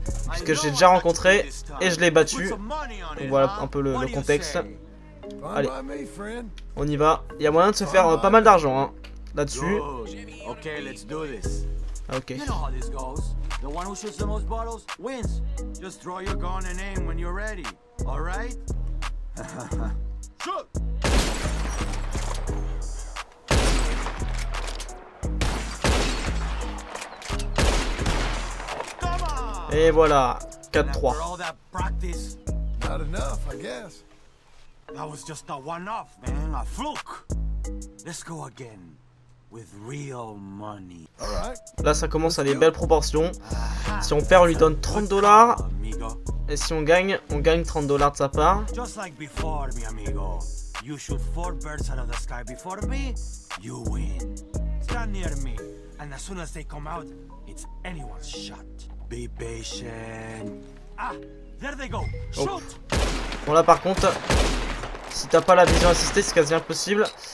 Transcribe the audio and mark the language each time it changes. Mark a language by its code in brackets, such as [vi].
[fr] Puisque je l'ai déjà rencontré et je l'ai battu. Donc voilà un peu le contexte. Allez, on y va. Il y a moyen de se faire pas mal d'argent hein, là-dessus. [en] Ok, let's do this. Ok. The one who shoots the most bottles wins. Just throw your gun and aim when you're ready. All right? Shoot! Come on! [fr] Et voilà, 4-3. [en] After all that practice, not enough, I guess. That was just a one-off, man, a fluke. Let's go again. With real money. [fr] Là, ça commence à des belles proportions. Si on perd, on lui donne $30. Et si on gagne, on gagne 30 dollars de sa part. [en] Just like before, [es] mi amigo. [en] You shoot four birds out of the sky before me, you win. Stand near me, and as soon as they come out, it's anyone's shot. Be patient. Ah, there they go. Shoot. [fr] Bon là par contre, si t'as pas la vision assistée, c'est quasi impossible.